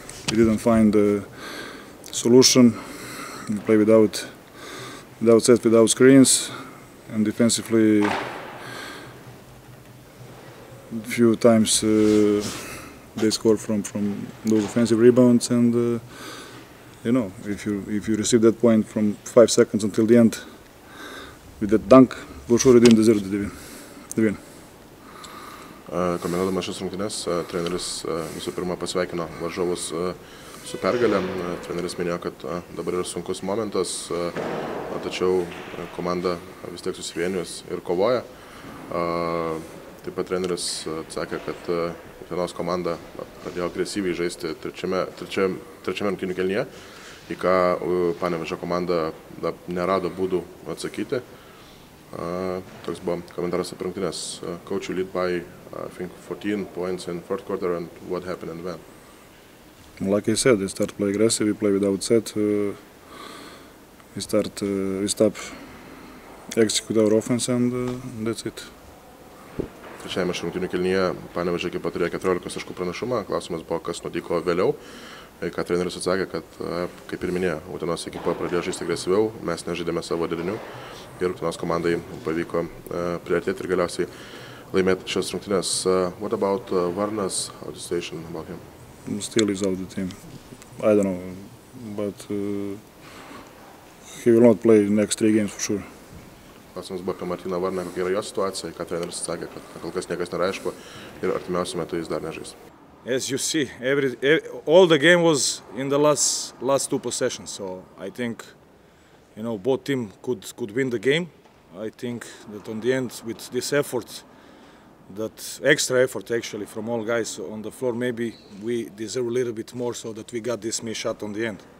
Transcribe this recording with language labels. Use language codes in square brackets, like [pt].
[en] We didn't find a solution. We play without set, without screens, and defensively a few times they score from those offensive rebounds. And you know, if you receive that point from 5 seconds until the end with that dunk, for sure you didn't deserve the win. [lt] Komentuodamas šias rungtynes, treneris visų pirma pasveikino varžovus su pergalė. Treneris minėjo, kad dabar yra sunkus momentas, tačiau komanda vis tiek susivienijus ir kovoja. Taip pat treneris atsakė, kad vienos komanda pradėjo agresyviai žaisti trečiame rungtynių kelnyje, į ką Panevėžio komanda nerado būdų atsakyti. Toks buvo komentaras apie rungtynes. [en] Coach, you lead by, I think, 14 points in fourth quarter, and what happened and when? Like I said, we start play aggressive, we play without set. We stop execute our offense, and that's it. [lt] Trečiajame rungtynių kelnyje Panevėžio ekipa turėjo 14 taškų pranašumą. Klausimas buvo, kas nutiko vėliau. Ką treneris atsakė, kad, kaip ir minėjo, Utenos ekipa pradėjo žaisti agresyviau, mes nežaidėme savo derinių ir Utenos komandai pavyko priartėti ir galiausiai laimėti šios rungtynės. [en] What about Varnas? How the situation about him? Still is out of the team. I don't know, but he will not play next 3 games for sure. [lt] Klausimas buvo apie Martyną Varną, kokia yra jo situacija, ką treneris atsakė, kad kol kas niekas nėra aišku ir artimiausiu metu jis dar nežais. [en] As you see, all the game was in the last two possessions. So I think, you know, both team could win the game. I think that on the end, with this effort, that extra effort actually from all guys on the floor, maybe we deserve a little bit more so that we got this miss shot on the end.